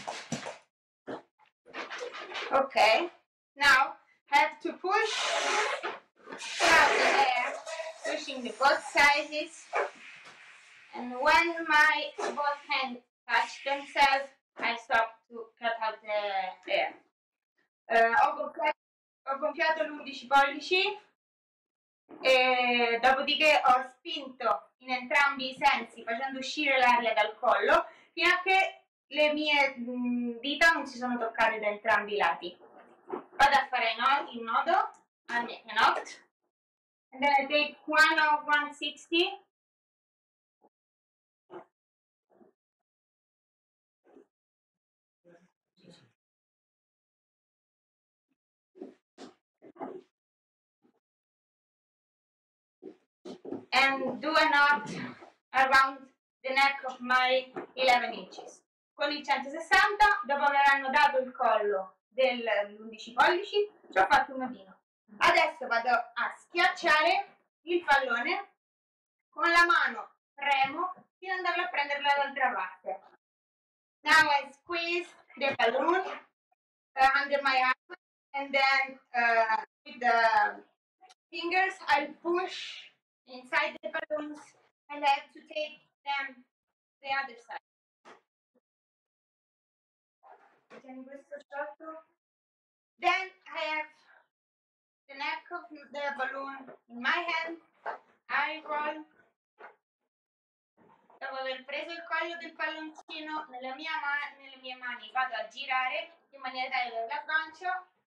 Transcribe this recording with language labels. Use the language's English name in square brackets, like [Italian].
[English] Okay, now I have to push out the air, pushing the both sizes, and when my both hands touch themselves, I stop to cut out the air. [Italian] Ho gonfiato l'11 pollici, e dopodiché ho spinto in entrambi i sensi, facendo uscire l'aria dal collo, fino a che le mie dita non si sono toccate da entrambi i lati. Vado a fare il nodo, [English] a make a knot, and then I take 1 of 160 and do a knot around the neck of my 11 inches. [Italian] Con il 160, dopo aver annodato il collo dell'11 pollici, ci ho fatto un nodino. Adesso vado a schiacciare il pallone, con la mano premo fino ad andarlo a prendere dall'altra parte. [English] Now I squeeze the balloon under my arm and then with the fingers I push inside the balloons and I have to take them the other side. [Italian] Tieni questo sotto. [English] Then I have the neck of the balloon in my hand. I roll. [Italian] Dopo aver preso il collo del palloncino nelle mie mani, vado a girare in maniera tale che lo aggancio.